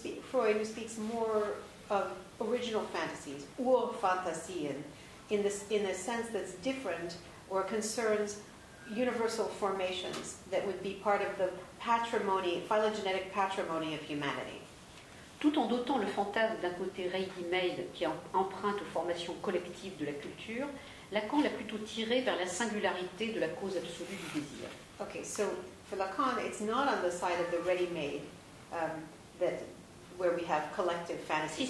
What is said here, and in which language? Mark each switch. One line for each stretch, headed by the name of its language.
English: Freud, who speaks more of original fantasies, ur fantasien, in a sense that's different or concerns universal formations that would be part of the patrimony, phylogenetic patrimony of humanity.
French: Tout en dotant le fantasme d'un côté ready-made qui emprunte aux formations collectives de la culture, Lacan l'a plutôt tiré vers la singularité de la cause absolue du désir.
English: Okay, so for Lacan, it's not on the side of the ready-made that where we have collective fantasies.